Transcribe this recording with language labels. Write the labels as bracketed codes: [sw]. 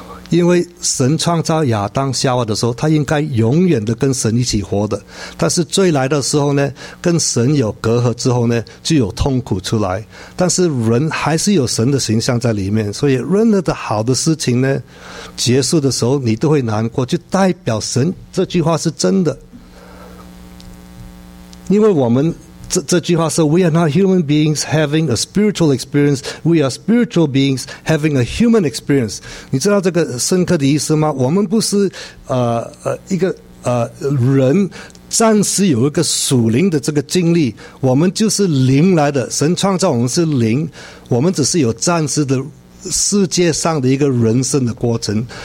[zh] 因为神创造亚当夏娃的时候，他应该永远的跟神一起活的，但是罪来的时候呢，跟神有隔阂之后呢，就有痛苦出来，但是人还是有神的形象在里面，所以任何的好的事情呢结束的时候你都会难过，就代表神这句话是真的。因为我们 这句话是 [en] We are not human beings having a spiritual experience. We are spiritual beings having a human experience. [zh] 你知道这个深刻的意思吗？我们不是一个人暂时有一个属灵的这个经历，我们就是灵来的。神创造我们是灵，我们只是有暂时的世界上的一个人生的过程。